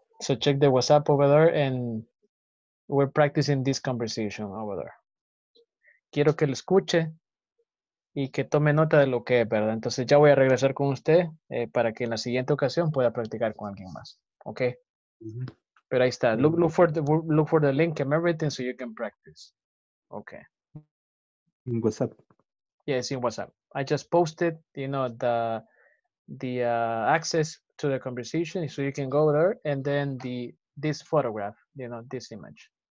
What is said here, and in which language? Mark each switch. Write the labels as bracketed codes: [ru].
[en] So check the WhatsApp over there and we're practicing this conversation over there. [es] Quiero que lo escuche y que tome nota de lo que es, ¿verdad? Entonces ya voy a regresar con usted para que en la siguiente ocasión pueda practicar con alguien más. ¿Ok? Mm-hmm. Pero ahí está. [en] Look for the link and everything so you can practice. [es] ¿Ok? En WhatsApp. [en] Yes, in WhatsApp. I just posted, you know, the access to the conversation so you can go there and then this photograph, you know, this image.